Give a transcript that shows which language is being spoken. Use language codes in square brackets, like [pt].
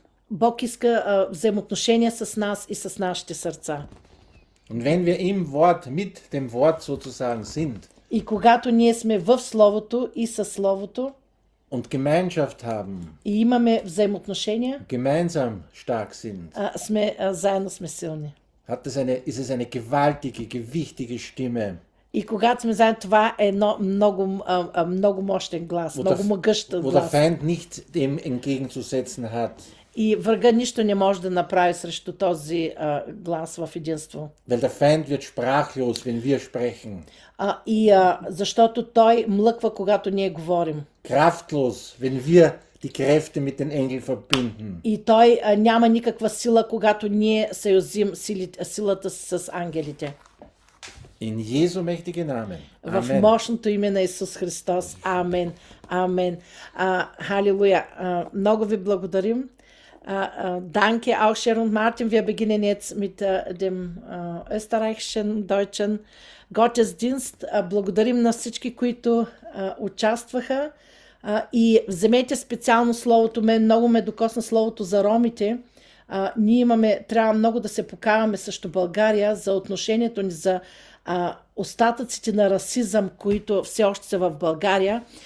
[bg] Бог иска взаимоотношения с нас и с нашите сърца. [de] Und wenn wir im Wort, mit dem Wort sozusagen sind, [bg] и когато ние сме в Словото и със Словото, [de] und Gemeinschaft haben. [bg] И имаме взаимоотношения. [de] Gemeinsam stark sind. [bg] Заедно сме силни. [de] Hat es eine, ist es eine gewaltige, gewichtige Stimme. [bg] И когато сме заедно, това е много, много мощен глас, много могъщ глас. [de] Wo der Feind nicht dem entgegenzusetzen hat. [bg] И врага нищо не може да направи срещу този глас в единство. [de] Weil der Feind wird sprachlos, wenn wir sprechen. [bg] Защото той млъква, когато ние говорим. [de] Kraftlos, wenn wir die Kräfte mit den Engeln verbinden. [bg] И той няма никаква сила, когато ние съюзим силата с ангелите. [de] In Jesu mächtigen Namen. [bg] В [de] Amen. [bg] мощното име на Исус Христос. Амен. Амен. Халилуя. Много ви благодарим. [de] Danke auch, Sharon Martin. Wir beginnen jetzt mit dem österreichischen, deutschen Gottesdienst. [bg] Благодарим на всички, които участваха. И вземете специално словото. Мен много ме докосна словото за ромите. Ние имаме, трябва много да се покаваме срещу България за отношението ни за остатъците на расизъм, които все още са в България.